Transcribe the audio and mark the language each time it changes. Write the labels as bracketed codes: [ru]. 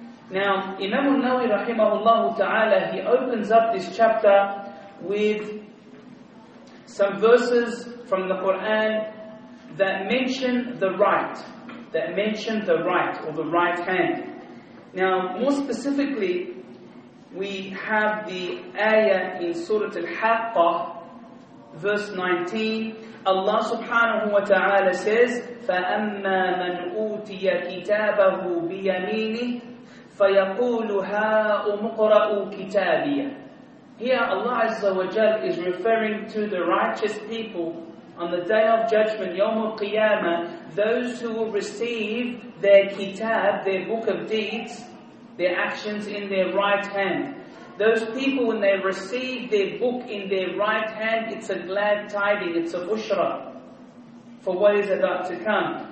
[en] Now, Imam al-Nawawi rahimahullah ta'ala, he opens up this chapter with some verses from the Quran that mention the right, that mention the right or the right hand. Now, more specifically, we have the ayah in Surah Al-Haqqah, verse 19. Allah subhanahu wa ta'ala says, [ar] فَأَمَّا مَنْ أُوْتِيَ كِتَابَهُ بِيَمِينِهِ فَيَقُولُ هَا أُمُقْرَأُ كِتَابِيَ. [en] Here Allah Azza wa Jal is referring to the righteous people on the Day of Judgment, Yawm al-Qiyamah, those who will receive their kitab, their book of deeds, their actions in their right hand. Those people, when they receive their book in their right hand, it's a glad tiding, it's a bushra for what is about to come.